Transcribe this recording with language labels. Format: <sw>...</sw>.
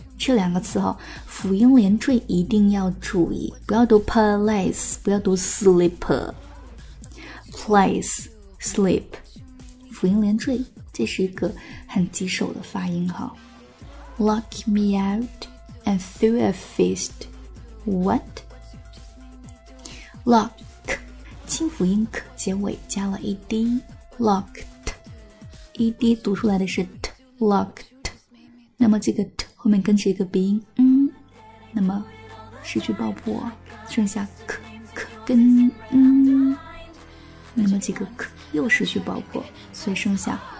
<zh>这两个词哈，辅音连缀一定要注意，不要读 place， 不要读 sleeper。</zh> <en>Place sleep，</en> <zh>辅音连缀。这是一个很棘手的发音哈。</zh> <en>Lock me out and threw a fist. What? Lock，</en> <zh>轻辅音 k 结尾加了 ed，</zh> <en>locked，</en> <zh>ed 读出来的是 t， locked。那么这个 t 后面跟着一个鼻音，嗯，那么失去爆破，剩下 k 跟嗯，那么这个 k 又失去爆破，所以剩下。</zh>